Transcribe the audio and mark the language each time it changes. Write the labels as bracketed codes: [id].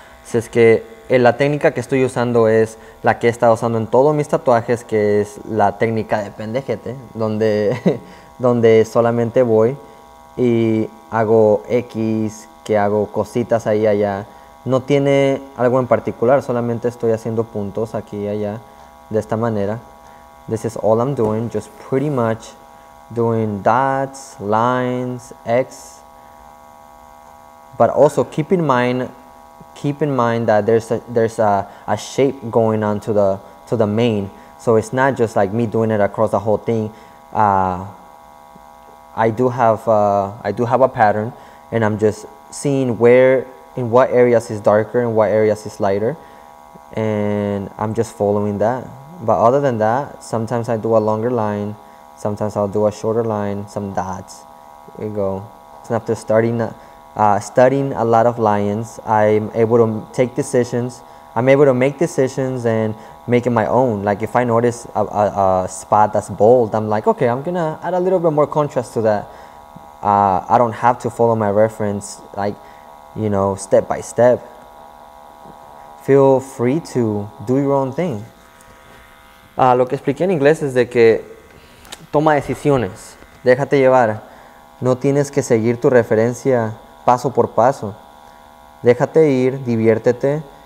[es] Si es que la técnica que estoy usando es la que he estado usando en todos mis tatuajes, que es la técnica de pendejete, donde solamente voy y hago X, que hago cositas ahí y allá. No tiene algo en particular, solamente estoy haciendo puntos aquí y allá de esta manera. [en] This is all I'm doing, just pretty much doing dots, lines, X. But also keep in mind that there's a shape going on to the mane. So it's not just like me doing it across the whole thing. I do have a pattern, and I'm just seeing where, in what areas is darker and what areas is lighter, and I'm just following that. But other than that, sometimes I do a longer line, sometimes I'll do a shorter line, some dots. There you go. So after studying a lot of lions, I'm able to take decisions. I'm able to make decisions and make it my own. Like if I notice a spot that's bold, I'm like, okay, I'm gonna add a little bit more contrast to that. I don't have to follow my reference, like, you know, step by step. Feel free to do your own thing. [es] Lo que expliqué en inglés es de que toma decisiones, déjate llevar. No tienes que seguir tu referencia paso por paso. Déjate ir, diviértete.